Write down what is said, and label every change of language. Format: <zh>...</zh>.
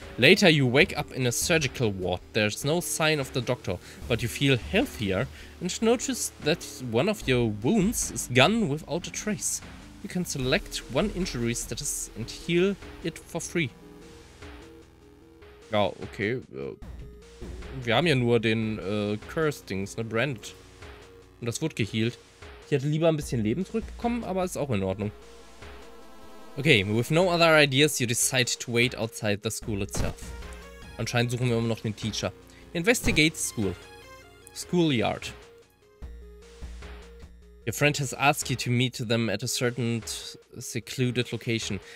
<en>Later you wake up in a surgical ward. There's no sign of the doctor, but you feel healthier and notice that one of your wounds is gone without a trace. You can select one injury status and heal it for free.</en> <de>Ja, okay. Wir haben ja nur den Curse-Dings, ne, Brand. Und das wurde geheilt. Ich hätte lieber ein bisschen Leben zurückbekommen, aber ist auch in Ordnung.</de> <en>Okay, with no other ideas, you decide to wait outside the school itself.</en> <de>Anscheinend suchen wir immer noch den Teacher.</de> <en>Investigate school. Schoolyard. Your friend has asked you to meet them at a certain secluded location.</en>